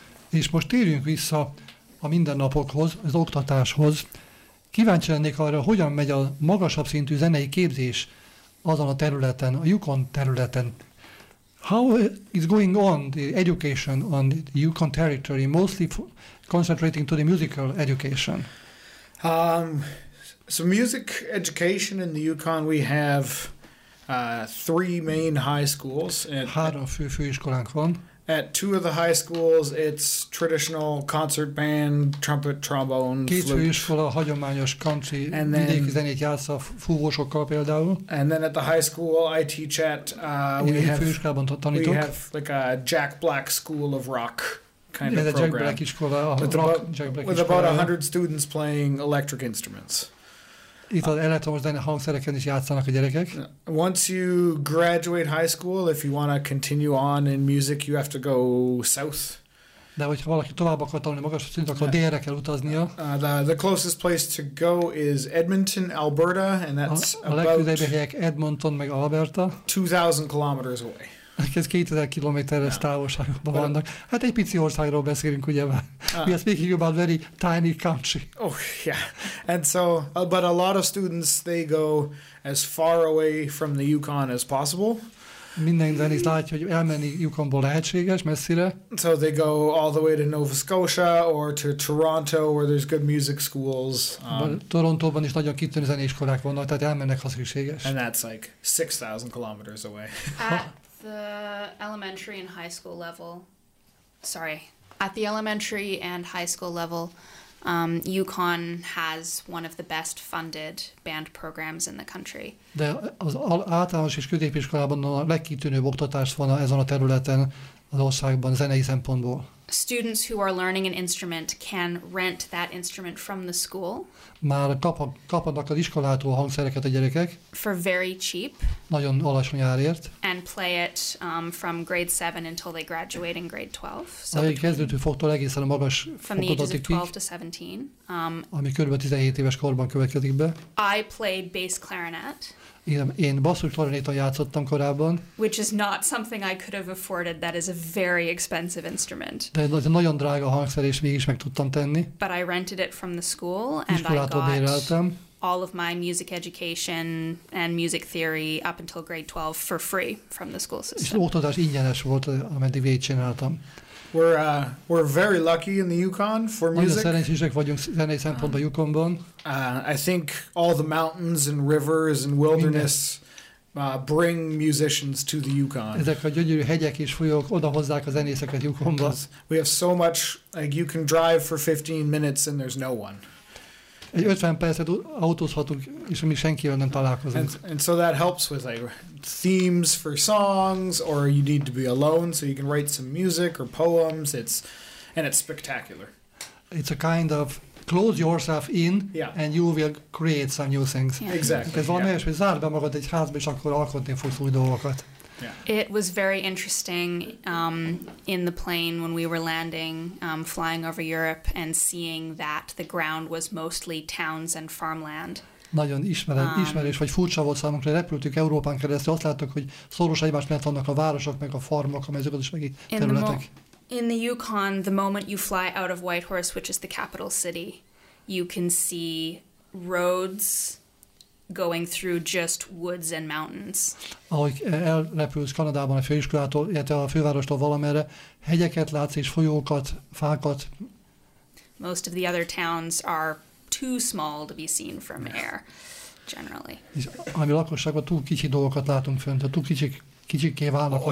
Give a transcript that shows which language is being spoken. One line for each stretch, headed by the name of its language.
Hungarian: És most térjünk vissza a mindennapokhoz, az oktatáshoz. Kíváncsi lennék arra, hogyan megy a magasabb szintű zenei képzés azon a területen, a Yukon területen.
English: How is going on the education on the Yukon territory, mostly concentrating to the musical education? So music education in the Yukon, we have three main high schools.
Hungarian: Három főiskolánk van.
English: At two of the high schools, it's traditional concert band, trumpet, trombone,
Hungarian: két
English: flute.
Hungarian: Két főiskola hagyományos country vidéki zenét játsz a fúvósokkal például.
English: And then at the high school I teach at, we have like a Jack Black School of Rock kind of program.
Hungarian: Jack Black iskola,
English: with about 100 students playing electric instruments.
Hungarian: Itt az elektromos hangszereken is játszanak a gyerekek.
English: Once you graduate high school, if you want to continue on in music, you have to go south.
Hungarian: De hogyha valaki tovább akar tanulni magasabb szintre, akkor délre kell utaznia.
English: The closest place to go is Edmonton, Alberta, and that's
Hungarian: a legközelebbi helyek Edmonton meg Alberta.
English: 2000 kilometers away.
Hungarian: Ez 2000 kilométeres távolságban vannak. Hát egy pici országról beszélünk, ugye?
English: We are speaking about very tiny country. Oh, yeah. And so, but a lot of students, they go as far away from the Yukon as possible.
Hungarian: Minden zenész látja, hogy elmenni Yukonból lehetséges, messzire.
English: So they go all the way to Nova Scotia or to Toronto, where there's good music schools.
Hungarian: Torontóban is nagyon kitűnő zenéiskolák vannak, tehát elmennek, ha szükséges.
English: And that's like 6,000 kilometers away. The elementary and high school level, at the elementary and high school level, UConn has one of the best funded band programs in the country.
Hungarian: De az általános és középiskolában a legkitűnőbb oktatás van ezen a területen az országban zenei szempontból.
English: Students who are learning an instrument can rent that instrument from the school.
Hungarian: Már kapnak az iskolától hangszereket a gyerekek.
English: For very cheap.
Hungarian: Nagyon alacsony árért.
English: And play it from grade 7 until they graduate in grade 12.
Hungarian: So a kezdőtől fogtól egészen a magas fokozatig.
English: From the ages of 12 to 17.
Hungarian: Ami körülbelül 17 éves korban következik be.
English: I play bass clarinet.
Hungarian: Én basszus klarinéton játszottam korábban.
English: Which is not something I could have afforded. That is a very expensive instrument.
Hungarian: De ez nagyon drága hangszer, és mégis meg tudtam tenni.
English: But I rented it from the school, and I got
Hungarian: béreltem.
English: All of my music education and music theory up until grade 12 for free from the school system.
Hungarian: És oktatás ingyenes volt, ameddig végigcsináltam.
English: We're very lucky in the Yukon for music.
Hungarian: Nagyon szerencsések vagyunk zenei szempontból Yukonban.
English: I think all the mountains and rivers and wilderness bring musicians to the Yukon.
Hungarian: Ezek a gyönyörű hegyek és folyók oda hozzák a zenészeket Yukonba.
English: We have so much, like you can drive for 15 minutes and there's no one.
Hungarian: Egy 50 percet autózhatunk, és mi senkivel nem találkozunk.
English: And so that helps with like themes for songs, or you need to be alone so you can write some music or poems. It's spectacular. It's a kind of close yourself in, and you will create some new things. Yeah. Exactly.
Hungarian: Ez valami olyasmi, zárd be magad egy házba, és akkor alkotni fogsz új dolgokat.
English: Yeah. It was very interesting in the plane when we were landing, flying over Europe, and seeing that the ground was mostly towns and farmland.
Hungarian: Nagyon ismerős vagy furcsa volt számunkra, hogy repültük Európán keresztül, azt láttuk, hogy szoros egymás mellett vannak a városok, meg a farmok, a mezőgazdasági területek.
English: In the Yukon, the moment you fly out of Whitehorse, which is the capital city, you can see roads going through just woods and mountains.
Hungarian: Ahogy elrepülsz Kanadában a főiskolától, illetve a fővárostól valamerre, hegyeket látsz és folyókat, fákat.
English: Most of the other towns are too small to be seen from air, generally.
Hungarian: Ami lakosságban túl kicsi dolgokat látunk fönt, tehát túl kicsiké válnak.